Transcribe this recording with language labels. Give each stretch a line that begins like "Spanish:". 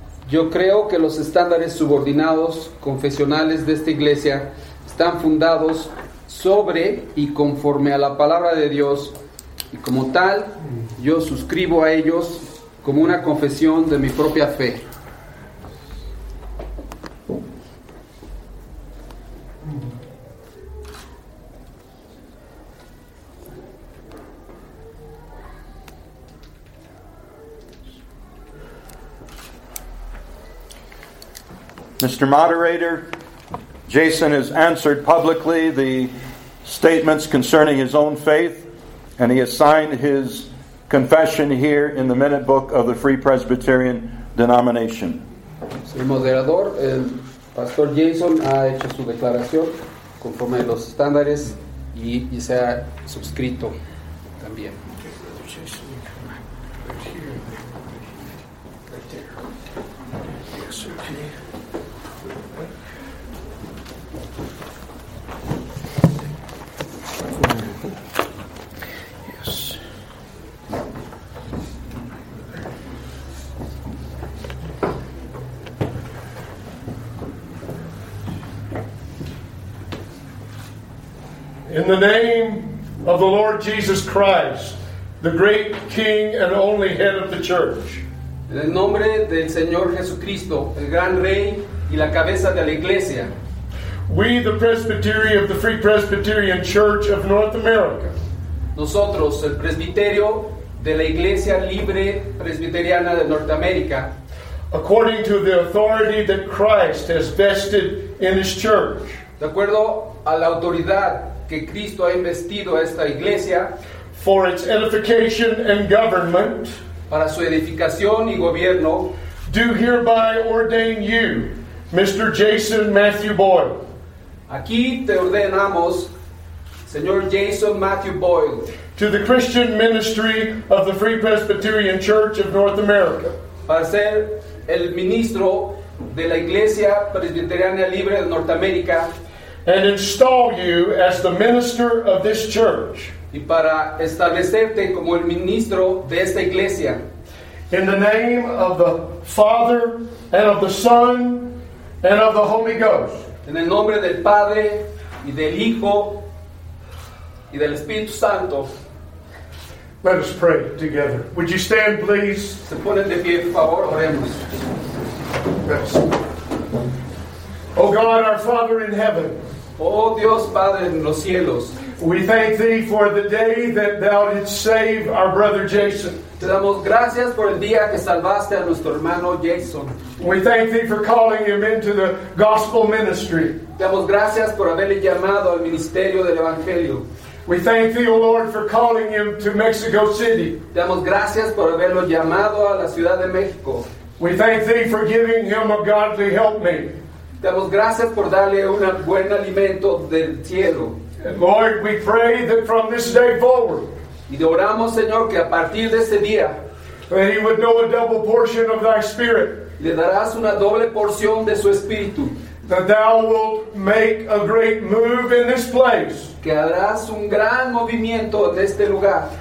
Spanish: Yo creo que los estándares subordinados confesionales de esta iglesia están fundados sobre y conforme a la palabra de Dios, y como tal yo suscribo a ellos como una confesión de mi propia fe.
English: Mr. Moderator, Jason has answered publicly the statements concerning his own faith, and he has signed his confession here in the minute book of the Free Presbyterian denomination.
Spanish: Señor moderador, el pastor Jason ha hecho su declaración conforme a los estándares y se ha suscrito también.
English: In the name of the Lord Jesus Christ, the great King and only Head of the Church.
Spanish: En el nombre del Señor Jesucristo, el gran Rey y la cabeza de la Iglesia.
English: We, the Presbytery of the Free Presbyterian Church of North America.
Spanish: Nosotros, el Presbiterio de la Iglesia Libre Presbiteriana de Norteamérica.
English: According to the authority that Christ has vested in His Church.
Spanish: De acuerdo a la autoridad que Cristo ha investido a esta iglesia,
English: for its edification and government,
Spanish: para su edificación y gobierno,
English: do hereby ordain you, Mr. Jason Matthew Boyle.
Spanish: Aquí te ordenamos, Señor Jason Matthew Boyle,
English: to the Christian ministry of the Free Presbyterian Church of North America,
Spanish: para ser el ministro de la Iglesia Presbiteriana Libre de Norteamérica,
English: and install you as the minister of this church.
Spanish: Y para establecerte como el ministro de esta iglesia.
English: In the name of the Father and of the Son and of the Holy Ghost.
Spanish: En el nombre del Padre y del Hijo y del Espíritu Santo.
English: Let us pray together. Would you stand, please?
Spanish: Se ponen de pie, por favor, oremos.
English: Yes. O God, our Father in heaven.
Spanish: Oh Dios Padre en los cielos.
English: We thank thee for the day that thou didst save our brother Jason.
Spanish: Te damos gracias por el día que salvaste a nuestro hermano Jason.
English: We thank thee for calling him into the gospel ministry.
Spanish: Te damos gracias por haberle llamado al ministerio del evangelio.
English: We thank thee, O Lord, for calling him to Mexico City.
Spanish: Te damos gracias por haberlo llamado a la ciudad de México.
English: We thank thee for giving him a godly helpmate.
Spanish: Te damos gracias por darle un buen alimento del cielo.
English: And Lord, we pray that from this day forward,
Spanish: y oramos, Señor, que a partir de este día,
English: that he would know a double portion of thy spirit,
Spanish: le darás una doble porción de su espíritu,
English: that thou wilt make a great move in this place,
Spanish: que harás un gran movimiento en este lugar,